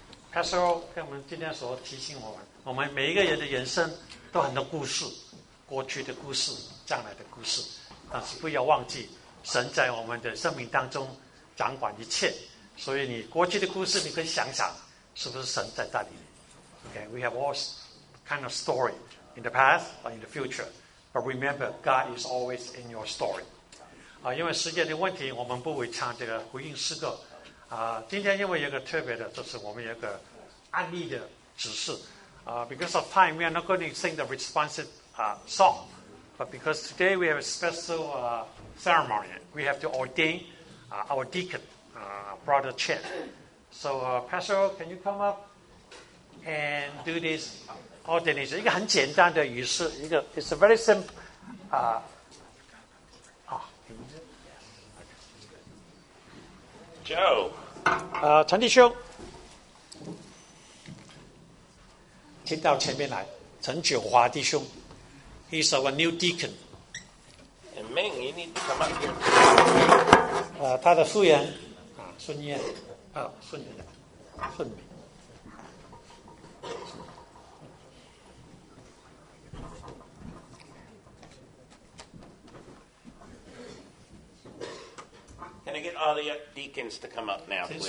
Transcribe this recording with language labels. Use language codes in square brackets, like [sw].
[zh] Pastor 给我们今天所提醒我们，我们每一个人的人生都很多故事，过去的故事，将来的故事，但是不要忘记神在我们的生命当中掌管一切，所以你过去的故事你可以想想是不是神在带领你。 [en] Okay, we have all kind of story in the past or in the future, but remember God is always in your story. [zh] 因为时间的问题，我们不会唱这个回应诗歌。今天因为有一个特别的，就是我们有一个案例的指示。 [en] Because of time, we are not going to sing the responsive song. But because today we have a special ceremony, we have to ordain our deacon, Brother Chen. So, Pastor, can you come up and do this ordination? [zh] 一个很简单的仪式，一个 [en] it's a very simple. Joe. [zh] 陈弟兄，请到前面来。 [en] 陈九华弟兄 ，He's our new deacon. And Ming, you need to come up here. [zh] 他的夫人啊，孙燕，啊，孙燕，孙敏。 [en] Can I get all the deacons to come up now, please?